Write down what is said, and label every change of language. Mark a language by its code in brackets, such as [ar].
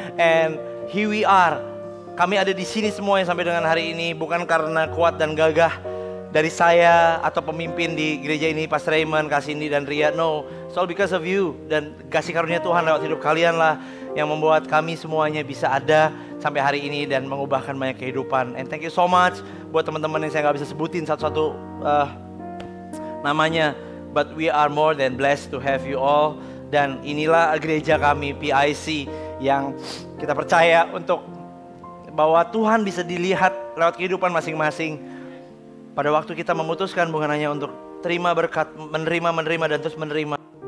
[id] And here we are. Kami ada di sini semua yang sampai dengan hari ini bukan karena kuat dan gagah dari saya atau pemimpin di gereja ini, Pastor Raymond, Kak Cindy dan Ria. No, it's all because of you dan kasih karunia Tuhan lewat hidup kalian lah yang membuat kami semuanya bisa ada sampai hari ini dan mengubahkan banyak kehidupan. And thank you so much buat teman-teman yang saya gak bisa sebutin satu-satu namanya. [en] But we are more than blessed to have you all. [id] Dan inilah gereja kami, PIC, yang kita percaya untuk bahwa Tuhan bisa dilihat lewat kehidupan masing-masing. Pada waktu kita memutuskan bukan hanya untuk terima berkat, menerima, dan terus menerima.